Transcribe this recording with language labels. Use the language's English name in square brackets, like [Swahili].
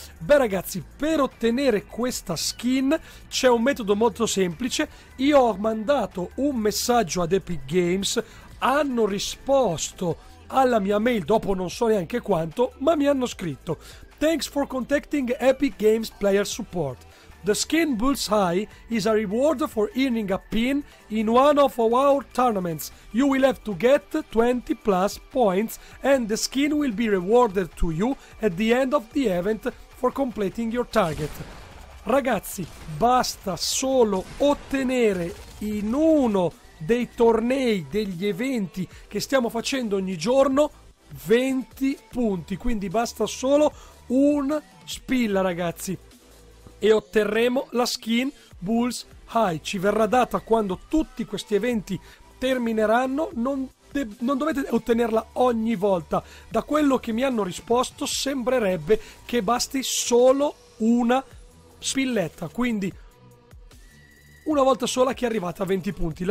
[Italian] Beh ragazzi, per ottenere questa skin c'è un metodo molto semplice, io ho mandato un messaggio ad Epic Games, hanno risposto alla mia mail dopo non so neanche quanto, ma mi hanno scritto: [English] "Thanks for contacting Epic Games Player Support. The skin Bull's Eye is a reward for earning a pin in one of our tournaments. You will have to get 20 plus points and the skin will be rewarded to you at the end of the event for completing your target." [Italian] Ragazzi, basta solo ottenere in uno dei tornei, degli eventi che stiamo facendo ogni giorno, 20 punti. Quindi basta solo un spilla ragazzi e otterremo la skin Bull's Eye, ci verrà data quando tutti questi eventi termineranno, non dovete ottenerla ogni volta, da quello che mi hanno risposto sembrerebbe che basti solo una spilletta, quindi una volta sola che è arrivata a 20 punti.